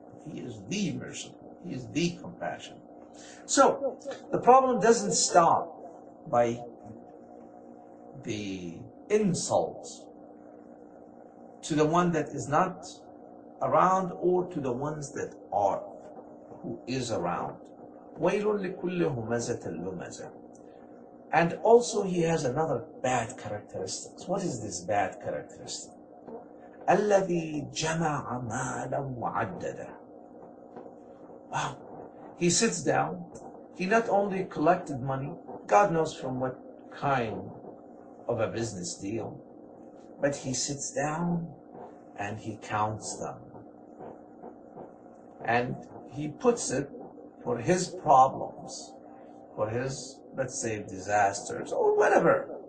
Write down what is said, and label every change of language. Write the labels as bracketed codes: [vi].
[en] He is the merciful. He is the compassionate. So, the problem doesn't stop by the insult to the one that is not around or to the ones that are, who is around. [ar] وَيْلٌ لِكُلِّ هُمَزَةٍ لُمَزَةٍ [en] And also he has another bad characteristic. What is this bad characteristic? [ar] الَّذِي جَمَعَ مَالًا وَعَدَّدَهُ [en] Wow. He sits down. He not only collected money, God knows from what kind of a business deal, but he sits down and he counts them. And he puts it for his problems, for his, let's say, disasters, or whatever.